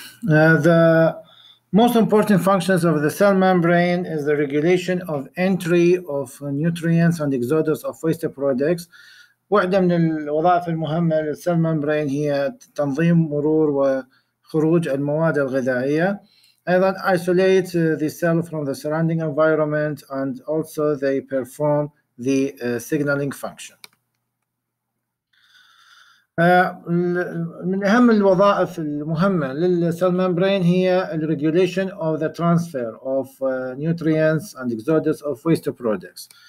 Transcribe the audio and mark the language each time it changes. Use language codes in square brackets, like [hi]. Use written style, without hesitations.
[en] The most important functions of the cell membrane is the regulation of entry of nutrients and exodus of waste products. [ar] واحدة من الوظائف المهمة للسيل ممبرين هي تنظيم مرور وخروج المواد الغذائية. [en] أيضا isolate the cell from the surrounding environment and also they perform the signaling function. [ar] من أهم الوظائف المهمة للسيل ممبرين هي [en] regulation of the transfer of nutrients and exodus of waste products.